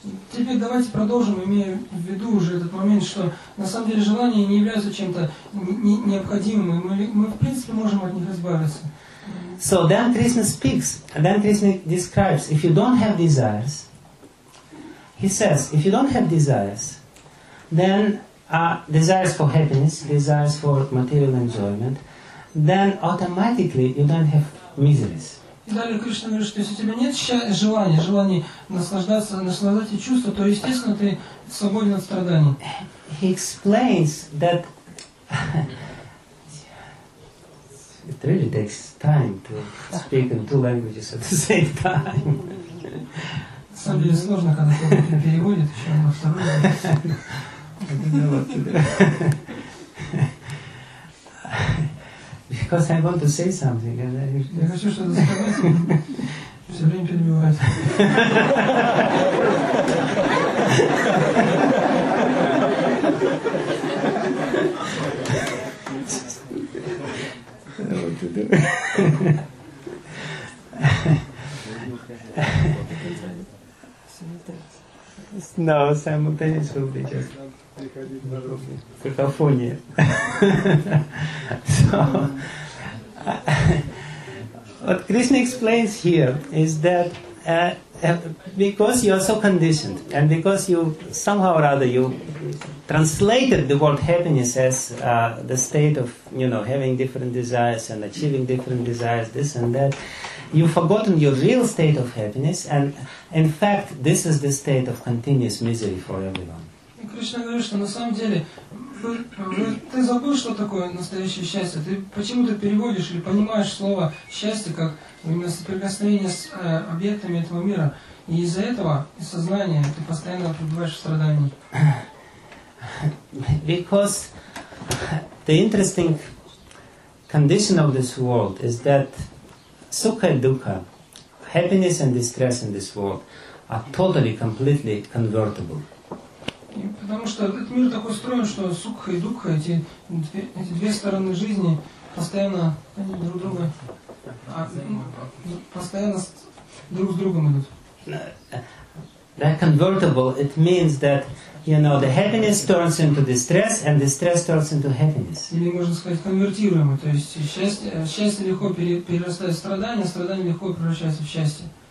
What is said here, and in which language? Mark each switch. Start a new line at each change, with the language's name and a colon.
Russian: Теперь давайте продолжим, имея в виду уже этот момент, что на самом деле желания не являются чем-то необходимым, и мы в принципе можем от них избавиться.
English: So then Krishna speaks, and then Krishna describes, if you don't have desires, he says, if you don't have desires, then desires for happiness, desires for material enjoyment, then automatically you don't have miseries.
Russian: И далее Кришна говорит, что если у тебя нет желания наслаждаться, наслаждать эти чувства, то естественно ты свободен от страданий.
English: He explains that it really takes time to speak in two languages at the same time.
Russian: На самом деле сложно, когда кто-то переводит еще на второй.
English: Because I want to say something, and then
Russian: я хочу что-то сказать, все время перебивает.
English: What to do? No, simultaneous will be just cacophony. So, what Krishna explains here is that because you are so conditioned, and because you somehow or other you translated the word happiness as the state of, you know, having different desires and achieving different desires, this and that, you've forgotten your real state of happiness, and in fact, this is the state of continuous misery for everyone.
Russian: Кришна говорит, что на самом деле ты забыл, что такое настоящее счастье. Ты почему-то переводишь или понимаешь слово счастье как именно соприкосновение с объектами этого мира. И из-за этого, из сознания, ты постоянно пребываешь в страдании.
English: Because the interesting condition of this world is that sukha and dukkha, happiness and distress in this world, are totally, completely convertible.
Russian: Потому что этот мир так устроен, что сукха и дукха, эти две стороны жизни, постоянно они друг друга, постоянно друг с другом идут.
English: That convertible, it means that, you know, the happiness turns into distress, and distress turns into happiness.
Russian: Или можно сказать конвертируемый, то есть счастье легко перерастает в страдание, страдание легко превращается в счастье.